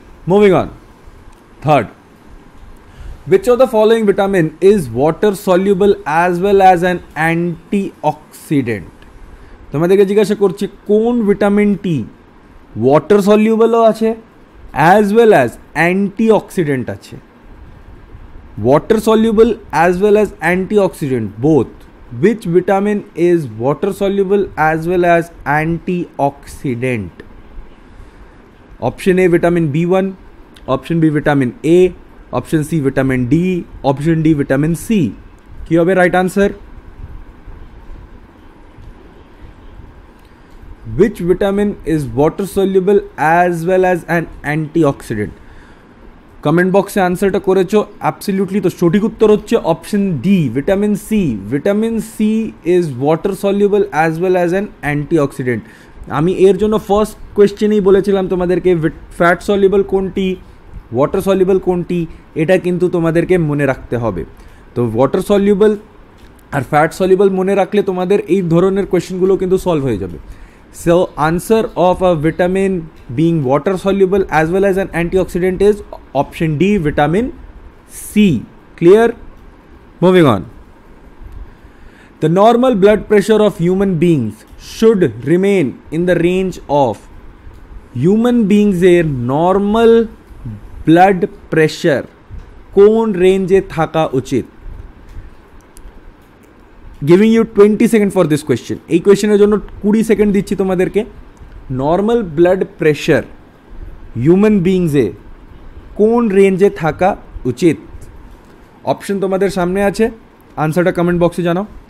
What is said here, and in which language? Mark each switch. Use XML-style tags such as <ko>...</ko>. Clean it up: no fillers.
<en>Moving on, third, which of the following vitamin is water soluble as well as an antioxidant.</en> <bn>তোমাদেরকে জিজ্ঞাসা করছি কোন ভিটামিনটি water সলিউবলও আছে as well as anti oxidant আছে।</bn> <en>Water soluble as well as antioxidant, both. Which vitamin is water soluble as well as antioxidant? Option A, vitamin B1. Option B, vitamin A. Option C, vitamin D. Option D, vitamin C.</en> <bn>Ki hobe</bn> <en>right answer? Which vitamin is water soluble as well as an antioxidant?</en> <bn>Comment বক্সে অ্যান্সারটা করেছো, absolutely. তো সঠিক উত্তর হচ্ছে option D, vitamin C.</bn> <en>Vitamin C is water soluble as well as an antioxidant.</en> <bn>আমি এর জন্য ফার্স্ট কোয়েশ্চেনেই বলেছিলাম তোমাদেরকে ফ্যাট সলিউবল কোনটি, ওয়াটার সলিউবল কোনটি, এটা কিন্তু তোমাদেরকে মনে রাখতে হবে। তো ওয়াটার সলিউবল আর ফ্যাট সলিউবল মনে রাখলে তোমাদের এই ধরনের কোয়েশ্চেনগুলো কিন্তু সলভ হয়ে যাবে।</bn> <en>So, answer of a vitamin being water soluble as well as an antioxidant is option D, vitamin C. Clear? Moving on. The normal blood pressure of human beings should remain in the range of human beings' air normal blood pressure.</en> <bn>Kon range thaka uchit?</bn> <en>Giving you 20 seconds for this question.</en> <bn>এই কোয়েশ্চেনের জন্য 20 seconds দিচ্ছি তোমাদেরকে। Normal blood pressure human বিইংসে কোন রেঞ্জে থাকা উচিত? Option তোমাদের সামনে আছে, আনসারটা কমেন্ট বক্সে জানাও।</bn>